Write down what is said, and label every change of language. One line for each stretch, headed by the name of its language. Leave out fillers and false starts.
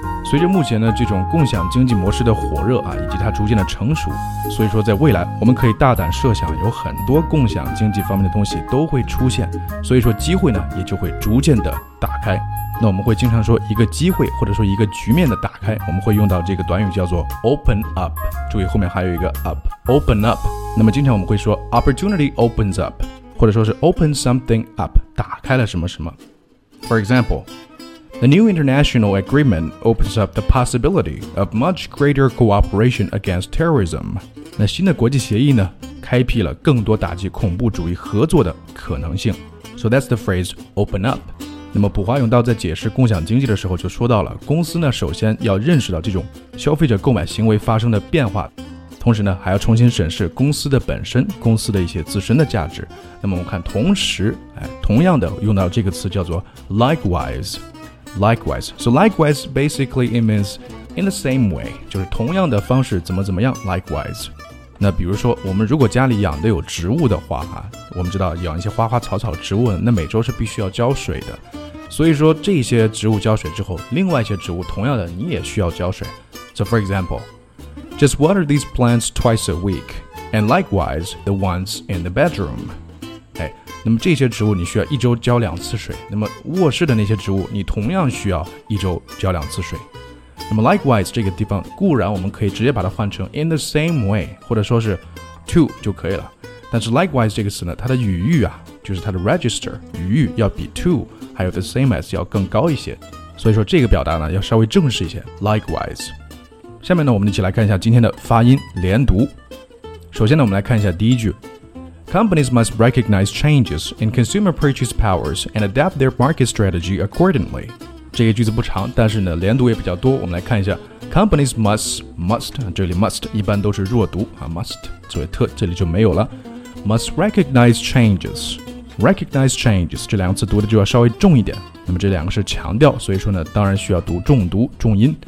Chinese: 随着目前的这种共享经济模式的火热啊，以及它逐渐的成熟，所以说在未来我们可以大胆设想，有很多共享经济方面的东西都会出现，所以说机会呢也就会逐渐的打开。那我们会经常说一个机会或者说一个局面的打开，我们会用到这个短语叫做
English: open up，
Chinese: 注意后面还有一个 up， open up。那么经常我们会说
English: opportunity opens up，
Chinese: 或者说是
English: open something up，
Chinese: 打开了什么什么。
English: For example， The new international agreement opens up the possibility of much greater cooperation against terrorism.
Chinese: 那新的国际协议呢，开辟了更多打击恐怖主义合作的可能性。
English: So that's the phrase, open up.
Chinese: 那么普华永道在解释共享经济的时候就说到了，公司呢首先要认识到这种消费者购买行为发生的变化，同时呢还要重新审视公司的本身，公司的一些自身的价值。那么我们看同时，哎，同样的用到这个词叫做 likewise。
English: Likewise. So likewise, basically it means in the same way.
Chinese: 就是同样的方式怎么怎么样 likewise. 那比如说我们如果家里养的有植物的话，我们知道养一些花花草草植物，那每周是必须要浇水的。所以说这些植物浇水之后，另外一些植物同样的你也需要浇水。
English: So for example, just water these plants twice a week, and likewise the ones in the bedroom.
Chinese: 那么这些植物你需要一周浇两次水，那么卧室的那些植物你同样需要一周浇两次水。那么 likewise 这个地方固然我们可以直接把它换成
English: in the same way
Chinese: 或者说是 to 就可以了，但是 likewise 这个词呢，它的语域啊，就是它的 register 语域要比 to 还有
English: the same as
Chinese: 要更高一些，所以说这个表达呢要稍微正式一些 likewise。下面呢我们一起来看一下今天的发音连读。首先呢我们来看一下第一句，
English: Companies must recognize changes in consumer purchase powers and adapt their market strategy accordingly.
Chinese: 这个句子不长，但是呢连读也比较多。我们来看一下 ，
English: Companies must
Chinese: 这里 must 一般都是弱读啊 ，must 作为特这里就没有了。
English: Must recognize changes. Recognize changes
Chinese: 这两个词读的就要稍微重一点。那么这两个是强调，所以说呢当然需要读重读重音。